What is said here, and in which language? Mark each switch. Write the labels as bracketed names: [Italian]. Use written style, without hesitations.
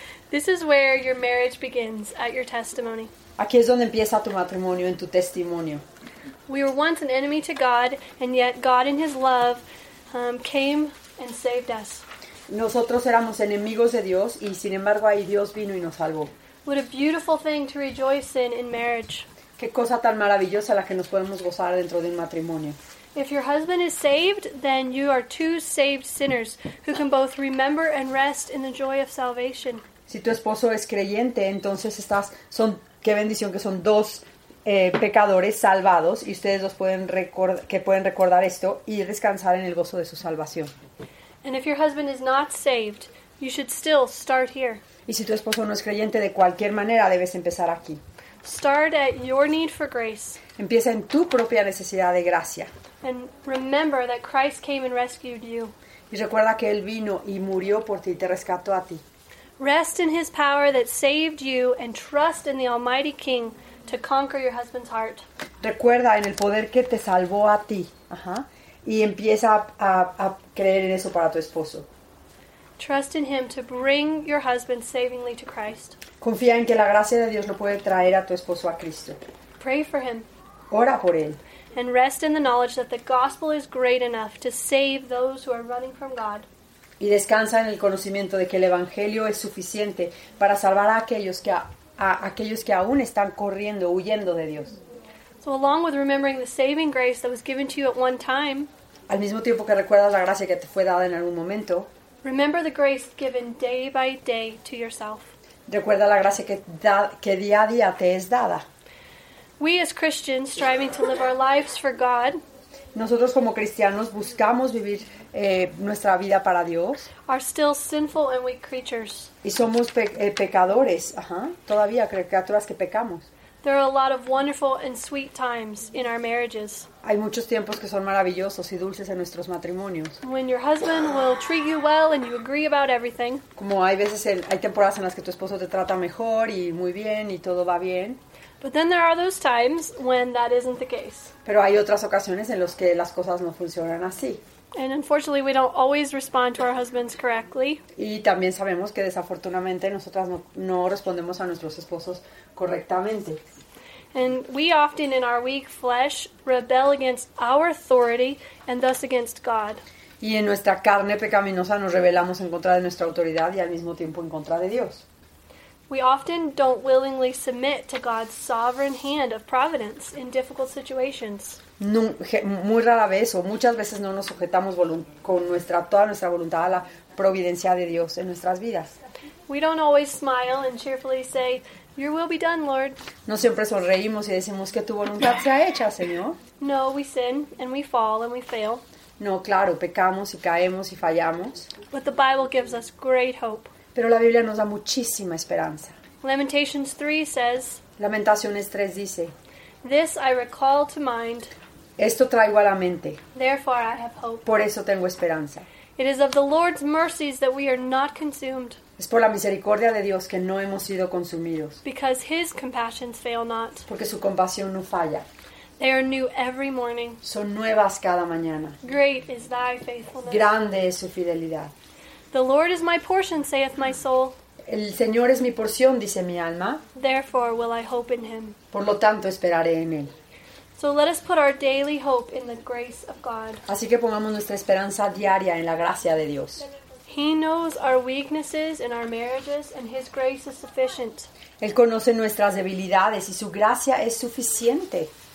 [English] This is where your marriage begins, at your testimony. [Spanish] Aquí es donde empieza tu matrimonio, en tu testimonio. [English] We were once an enemy to God, and yet God in his love came and saved us. [Spanish] Nosotros éramos enemigos de Dios, y sin embargo ahí Dios vino y nos salvó. [English] What a beautiful thing to rejoice in marriage. [Spanish] Qué cosa tan maravillosa la que nos podemos gozar dentro de un matrimonio. [English] If your husband is saved, then you are two saved sinners who can both remember and rest in the joy of salvation. [Spanish] Si tu esposo es creyente, entonces qué bendición que son dos pecadores salvados y ustedes dos pueden recordar esto y descansar en el gozo de su salvación. [English] And if your husband is not saved, you should still start here. [Spanish] Y si tu esposo no es creyente, de cualquier manera debes empezar aquí. [English] Start at your need for grace. [Spanish] Empieza en tu propia necesidad de gracia. [English] And remember that Christ came and rescued you. [Spanish] Y recuerda que él vino y murió por ti y te rescató a ti. [English] Rest in his power that saved you and trust in the Almighty King to conquer your husband's heart. [Spanish] Recuerda en el poder que te salvó a ti. Ajá. Y empieza a creer en eso para tu esposo. [English] Trust in him to bring your husband savingly to Christ. [Spanish] Confía en que la gracia de Dios lo puede traer a tu esposo a Cristo. [English] Pray for him. [Spanish] Ora por él. [English] And rest in the knowledge that the gospel is great enough to save those who are running from God. [Spanish] Y descansa en el conocimiento de que el evangelio es suficiente para salvar a aquellos que aún están corriendo, huyendo de Dios. [English] So along with remembering the saving grace that was given to you at one time, [Spanish] al mismo tiempo que recuerdas la gracia que te fue dada en algún momento, [English] remember the grace given day by day to yourself. [Spanish] Recuerda la gracia que día a día te es dada. [English] We as Christians striving to live our lives for God. [Spanish] Nosotros como cristianos buscamos vivir nuestra vida para Dios. [English] Are still sinful and weak creatures. [Spanish] Y somos pecadores, ajá. Todavía criaturas que pecamos. [English] There are a lot of wonderful and sweet times in our marriages. [Spanish] Hay muchos tiempos que son maravillosos y dulces en nuestros matrimonios. [English] When your husband will treat you well and you agree about everything. [Spanish] Como hay temporadas en las que tu esposo te trata mejor y muy bien y todo va bien. [English] But then there are those times when that isn't the case. [Spanish] Pero hay otras ocasiones en las que las cosas no funcionan así. [English] And unfortunately, we don't always respond to our husbands correctly. [Spanish] Y también sabemos que desafortunadamente nosotras no respondemos a nuestros esposos correctamente. [English] And we often, in our weak flesh, rebel against our authority and thus against God. [Spanish] Y en nuestra carne pecaminosa nos rebelamos en contra de nuestra autoridad y al mismo tiempo en contra de Dios. [English] We often don't willingly submit to God's sovereign hand of providence in difficult situations. [Spanish] No, muy rara vez o muchas veces no nos sujetamos con toda nuestra voluntad a la providencia de Dios en nuestras vidas. [English] We don't always smile and cheerfully say, "Your will be done, Lord." [Spanish] No siempre sonreímos y decimos que tu voluntad sea hecha, Señor. [English] No, we sin and we fall and we fail. [Spanish] No, claro, pecamos y caemos y fallamos. [English] But the Bible gives us great hope. [Spanish] Pero la Biblia nos da muchísima esperanza. [English] Lamentations 3 says, [Spanish] Lamentaciones 3 dice, [English] "This I recall to mind." [Spanish] Esto traigo a la mente. [English] "Therefore I have hope." [Spanish] Por eso tengo esperanza. [English] "It is of the Lord's mercies that we are not consumed." [Spanish] Es por la misericordia de Dios que no hemos sido consumidos. [English] "Because his compassions fail not." [Spanish] Porque su compasión no falla. [English] They are new every morning. [Spanish] Son nuevas cada mañana. [English] Great is thy faithfulness. [Spanish] Grande es su fidelidad. [English] The Lord is my portion, saith my soul. [Spanish] El Señor es mi porción, dice mi alma. [English] Therefore will I hope in him. [Spanish] Por lo tanto, esperaré en él. [English] So let us put our daily hope in the grace of God. [Spanish] Así que pongamos nuestra esperanza diaria en la gracia de Dios. [English] He knows our weaknesses and our marriages, and his grace is sufficient. [Spanish] Él conoce nuestras debilidades y su gracia es suficiente.